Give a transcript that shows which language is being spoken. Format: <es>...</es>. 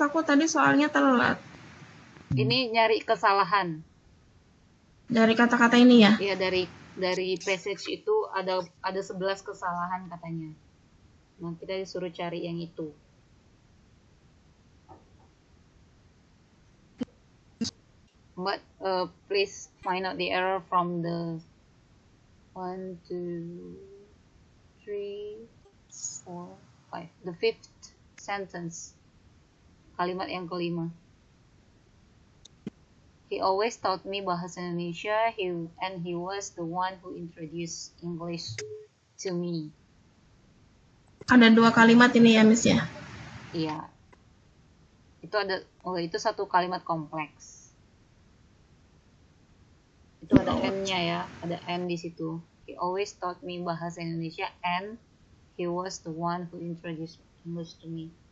<id>Aku tadi soalnya telat. Ini nyari kesalahan. Dari kata-kata ini ya? Iya, dari passage itu ada 11 kesalahan katanya. Nah, kita disuruh cari yang itu.</id> <en>But please find out the error from the 1, 2, 3, 4, 5, the fifth sentence.</en> <id>kalimat yang kelima.</id> <en>He always taught me bahasa Indonesia, he was the one who introduced English to me.</en> <id>Ada dua kalimat ini ya, Miss ya? Iya. Itu ada, oh itu satu kalimat kompleks. Itu ada M-nya ya, ada M di situ.</id> <en>He always taught me bahasa Indonesia and he was the one who introduced English to me.</en>